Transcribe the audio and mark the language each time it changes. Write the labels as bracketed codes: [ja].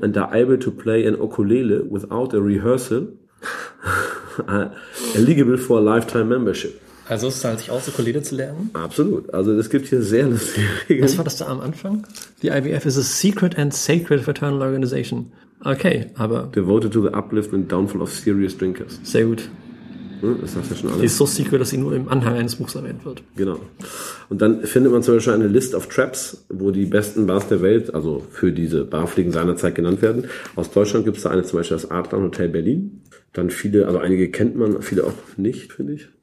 [en] and are able to play an ukulele without a rehearsal, eligible for a lifetime membership. [de] Also es zahlt sich aus, Ukulele zu lernen? Absolut, also es gibt hier sehr lustige Regeln. Was war das da am Anfang? [en] Die IBF is a secret and sacred fraternal organization. [de] Okay, aber... [en] Devoted to the uplift and downfall of serious drinkers. [de] Sehr gut. Das sagst du ja schon alles. Die ist so secret, dass sie nur im Anhang eines Buchs erwähnt wird. Genau. Und dann findet man zum Beispiel eine List of Traps, wo die besten Bars der Welt, also für diese Barfliegen seinerzeit genannt werden. Aus Deutschland gibt es da eine, zum Beispiel das Adlon Hotel Berlin. Dann viele, also einige kennt man, viele auch nicht, finde ich.